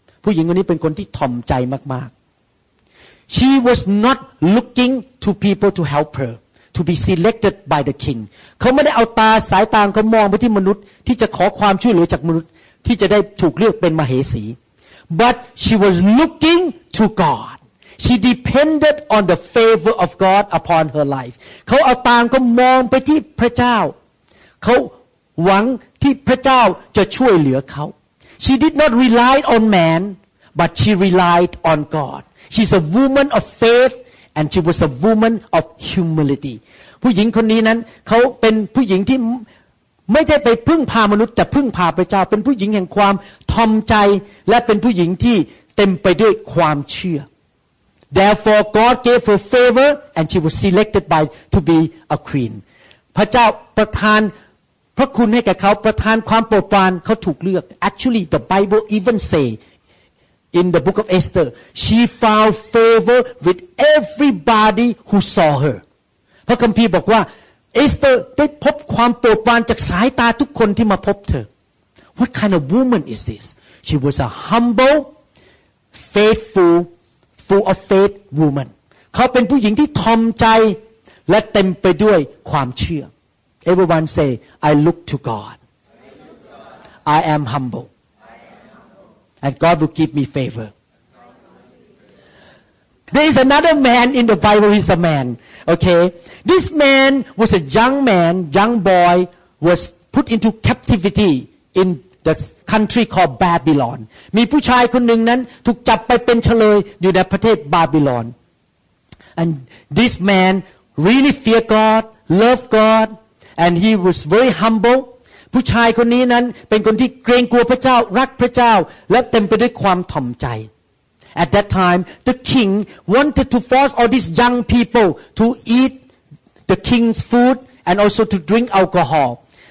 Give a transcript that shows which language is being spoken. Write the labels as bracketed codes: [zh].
[th] ผู้หญิงคนนี้เป็นคนที่ถ่อมใจมากๆ [en] She was not looking to people to help her. To be selected by the king, [th] เขาไม่ได้เอาตาสายตาเขามองไปที่มนุษย์ที่จะขอความช่วยเหลือจากมนุษย์ที่จะได้ถูกเลือกเป็นมเหสี [en] But she was looking to God. She depended on the favor of God upon her life. [th] เขาเอาตาเขามองไปที่พระเจ้าเขาหวังที่พระเจ้าจะช่วยเหลือเขา [en] She did not rely on man, but she relied on God. She's a woman of faith. And she was a woman of humility. [th] ผู้หญิงคนนี้นั้นเขาเป็นผู้หญิงที่ไม่ได้ไปพึ่งพามนุษย์แต่พึ่งพาพระเจ้าเป็นผู้หญิงแห่งความทอมใจและเป็นผู้หญิงที่เต็มไปด้วยความเชื่อ [en] Therefore, God gave her favor, and she was selected by to be a queen. [th] พระเจ้าประทานพระคุณให้แก่เขาประทานความโปรดปรานเขาถูกเลือก [en] Actually, the Bible even says. In the book of Esther, she found favor with everybody who saw her. [th] พระคัมภีร์บอกว่าเอสเตอร์ได้พบความโปรดปรานจากสายตาทุกคนที่มาพบเธอ [en] What kind of woman is this? She was a humble, faithful, full of faith woman. [th] เขาเป็นผู้หญิงที่ทอมใจและเต็มไปด้วยความเชื่อ [en] Everyone say, I look to God. I am humble. And God will give me favor. There is another man in the Bible. He's a man. Okay. This man was a young man, young boy, was put into captivity in the country called Babylon. [th] มีผู้ชายคนหนึ่งนั้นถูกจับไปเป็นเชลยอยู่ในประเทศบาบิลอน [en] And this man really feared God, loved God, and he was very humble. [th] ผู้ชายคนนี้นั้นเป็นคนที่เกรงกลัวพระเจ้ารักพระเจ้าและเต็มไปด้วยความถ่อมใจ [en] At that time, the king wanted to force all these young people to eat the king's food and also to drink alcohol.